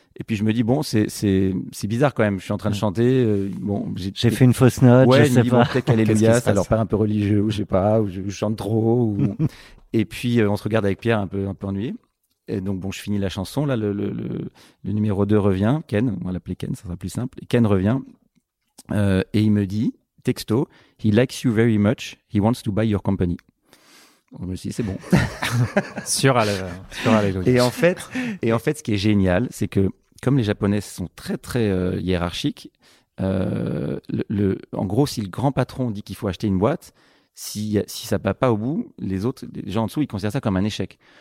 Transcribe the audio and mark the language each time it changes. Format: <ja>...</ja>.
<fr>Et puis je me dis, bon, c'est bizarre quand même. Je suis en train de chanter. J'ai fait une fausse note. Ouais, je sais pas. Peut-être qu'Alléluia, ça leur paraît un peu religieux, ou je sais pas, ou je chante trop. Et puis on se regarde avec Pierre un peu ennuyé. Et donc, bon, je finis la chanson. Là, le numéro 2 revient. Ken, on va l'appeler Ken, ça sera plus simple. Ken revient. Et il me dit, texto,</fr> <en>he likes you very much. He wants to buy your company.</en> <fr>Je me suis dit, c'est bon. sur Alléluia. Et en fait, ce qui est génial, c'est que comme les Japonais sont très, très hiérarchiques, en gros, si le grand patron dit qu'il faut acheter une boîte, si ça ne va pas au bout, les gens en dessous, ils considèrent ça comme un échec.</fr>